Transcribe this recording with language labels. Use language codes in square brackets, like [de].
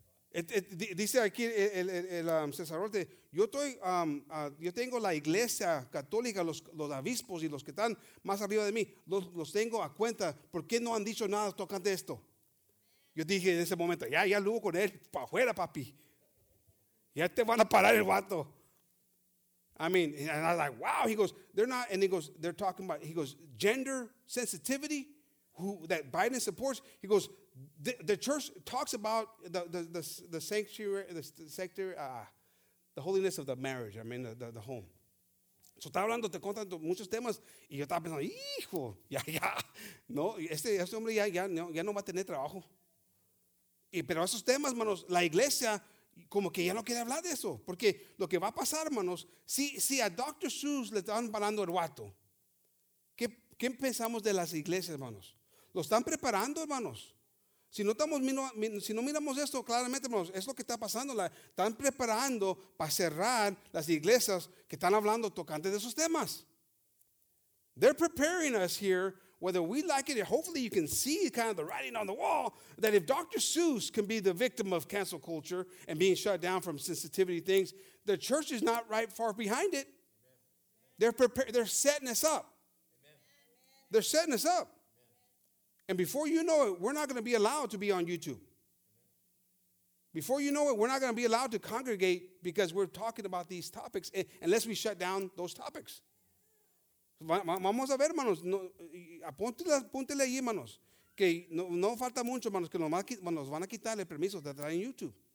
[es] Dice aquí el sacerdote, yo tengo la iglesia católica, los obispos y los que están más arriba de mí, los tengo a cuenta. ¿Por qué no han dicho nada tocante esto? Yo dije en ese momento, ya luego con él, para afuera, papi. Ya te van a parar el vato. [en] I mean, and I was like, wow. He goes, they're not, and he goes, they're talking about, he goes, gender sensitivity, that Biden supports. He goes, the church talks about the sanctuary, the sector, the holiness of the marriage. I mean, the home. [es] So, está hablando, te contando muchos temas, y yo estaba pensando, hijo, ya, no, este hombre ya no va a tener trabajo. Y pero esos temas, manos, la iglesia como que ya no quiere hablar de eso, porque lo que va a pasar, hermanos, si a Dr. Seuss le están parando el guato, ¿qué pensamos de las iglesias, hermanos? Lo están preparando, hermanos. Si no miramos esto claramente, hermanos, es lo que está pasando. Están preparando para cerrar las iglesias que están hablando tocante de esos temas. [en] They're preparing us here whether we like it, hopefully you can see kind of the writing on the wall, that if Dr. Seuss can be the victim of cancel culture and being shut down from sensitivity things, the church is not right far behind it. Amen. They're setting us up. Amen. They're setting us up. Amen. And before you know it, we're not going to be allowed to be on YouTube. Before you know it, we're not going to be allowed to congregate because we're talking about these topics unless we shut down those topics. [es] Vamos a ver, hermanos. Apúntele ahí, hermanos. Que no falta mucho, hermanos, que nos van a quitar el permiso de traer en YouTube.